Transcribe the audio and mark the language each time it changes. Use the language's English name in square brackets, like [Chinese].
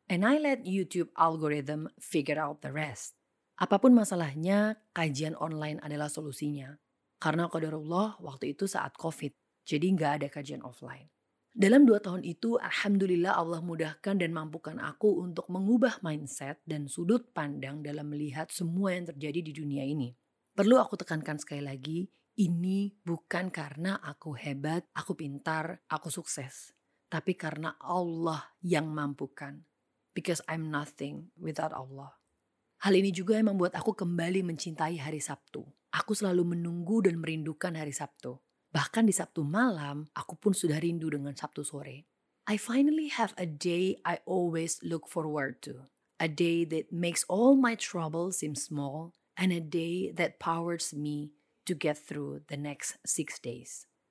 [English] And I let YouTube algorithm figure out the rest. [Indonesian] Apapun masalahnya, kajian online adalah solusinya. Karena qadarullah, waktu itu saat COVID, jadi gak ada kajian offline. Dalam 2 tahun itu, alhamdulillah Allah mudahkan dan mampukan aku untuk mengubah mindset dan sudut pandang dalam melihat semua yang terjadi di dunia ini. Perlu aku tekankan sekali lagi, ini bukan karena aku hebat, aku pintar, aku sukses. Tapi karena Allah yang mampukan. Because I'm nothing without Allah. Hal ini juga yang membuat aku kembali mencintai hari Sabtu. Aku selalu menunggu dan merindukan hari Sabtu. Bahkan di Sabtu malam, aku pun sudah rindu dengan Sabtu sore. [English] I finally have a day I always look forward to. A day that makes all my troubles seem small. And a day that powers me to get through the next 6 days.